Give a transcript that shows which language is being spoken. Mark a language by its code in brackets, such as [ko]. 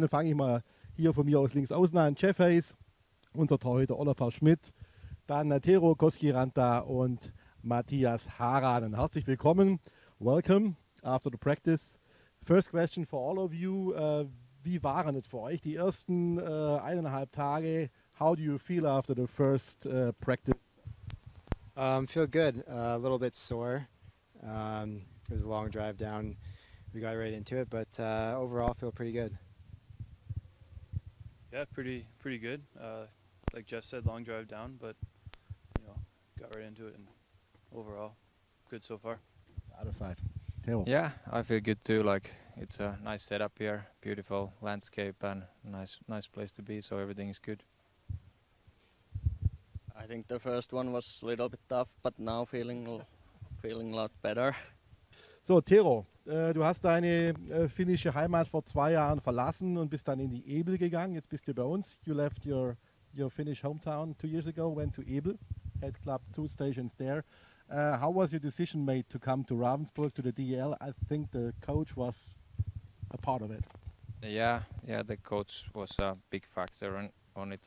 [de] Dann fange ich mal hier von mir aus links außen an. Jeff Hayes, unser Torhüter Oliver Schmidt, dann Tero Koskiranta und Matthias Haranen. Herzlich willkommen. [en] Welcome after the practice. First question for all of you. [de] Wie waren es für euch die ersten eineinhalb Tage? [en] How do you feel after the first practice? Feel good. A little bit sore. It was a long drive down. We got right into it, but overall feel pretty good. Yeah, pretty good. Like Jeff said, long drive down, but you know, got right into it, and overall good so far. Out of sight. Yeah, I feel good too. Like, it's a nice setup here, beautiful landscape and nice place to be, so everything is good. I think the first one was a little bit tough, but now feeling a lot better. [de] So, Tero, du hast deine finnische Heimat vor zwei Jahren verlassen und bist dann in die Ebel gegangen. Jetzt bist du bei uns. [en] You left your Finnish hometown 2 years ago, went to Ebel, head club, 2 stations there. How was your decision made to come to Ravensburg, to the DEL? I think the coach was a part of it. Yeah, the coach was a big factor on it.